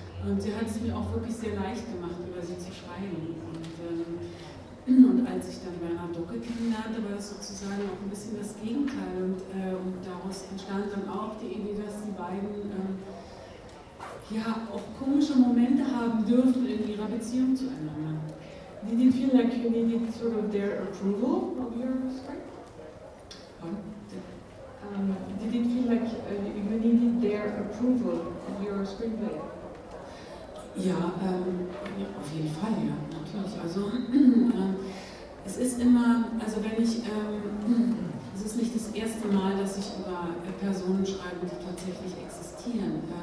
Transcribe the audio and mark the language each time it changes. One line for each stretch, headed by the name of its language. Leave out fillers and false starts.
German: Und sie hat es mir auch wirklich sehr leicht gemacht, über sie zu schreiben. Und als ich dann Bernhard Docke kennenlernte, war das sozusagen auch ein bisschen das Gegenteil. Und daraus entstand dann auch die Idee, dass die beiden ja auch komische Momente haben dürfen in ihrer Beziehung zueinander.
English: Did it feel like you needed sort of their approval of your script? Did it feel like you needed their approval of your screenplay?
German: Ja, ja, auf jeden Fall, ja, natürlich. Also es ist immer, also wenn ich, es ist nicht das erste Mal, dass ich über Personen schreibe, die tatsächlich existieren.